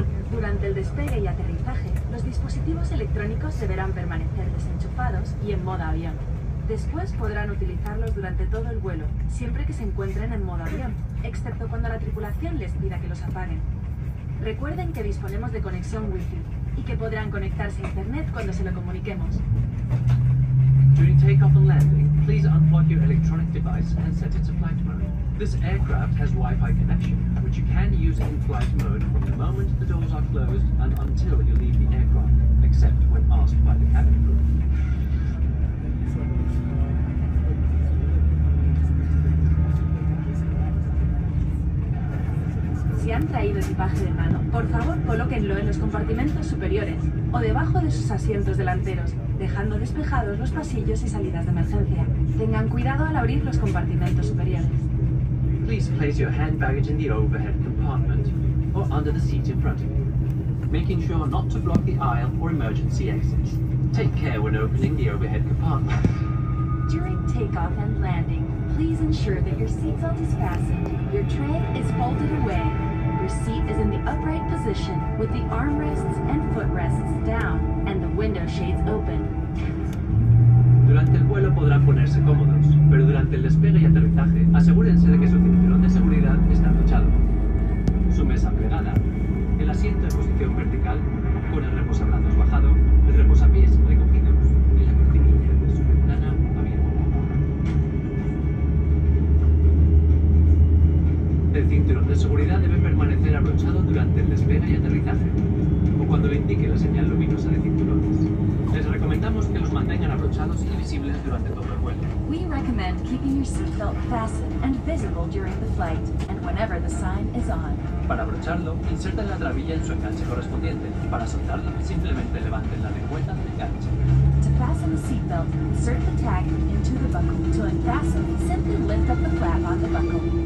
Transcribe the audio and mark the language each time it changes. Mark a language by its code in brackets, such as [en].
[es] Durante el despegue y aterrizaje, los dispositivos electrónicos deberán permanecer desenchufados y en modo avión. Después podrán utilizarlos durante todo el vuelo, siempre que se encuentren en modo avión, excepto cuando la tripulación les pida que los apaguen. Recuerden que disponemos de conexión Wi-Fi y que podrán conectarse a Internet cuando se lo comuniquemos. [en] During takeoff and landing, please unplug your electronic device and set it to flight mode. This aircraft has Wi-Fi connection, which you can use in flight mode from the moment the doors are closed and until you leave the aircraft, except when asked by the cabin crew. [es] Si han traído equipaje de mano, por favor colóquenlo en los compartimentos superiores o debajo de sus asientos delanteros, dejando despejados los pasillos y salidas de emergencia. Tengan cuidado al abrir los compartimentos superiores. [en] Please place your hand baggage in the overhead compartment or under the seat in front of you, making sure not to block the aisle or emergency exits. Take care when opening the overhead compartment. During takeoff and landing, please ensure that your seatbelt is fastened, your tray is folded away, your seat is in the upright position with the armrests and footrests down and the window shades open. [es] Durante el vuelo podrán ponerse cómodos, pero durante el despegue y aterrizaje, asegúrense de que su cinturón de seguridad está abrochado, su mesa plegada, el asiento en posición vertical, con el reposabrazos bajado, el reposapiés recogido y la cortinilla de su ventana abierta. El cinturón de seguridad debe permanecer abrochado durante el despegue y aterrizaje, o cuando le indique la señal luminosa de cinturones. Les recomendamos que los mantengan abrochados y visibles durante todo el vuelo. [en] We recommend keeping your seatbelt fastened and visible during the flight and whenever the sign is on. [es] Para abrocharlo, inserten la trabilla en su enganche correspondiente. Para soltarlo, simplemente levanten la lengüeta del enganche. [en] To fasten the seatbelt, insert the tag into the buckle. To unfasten, simply lift up the flap on the buckle.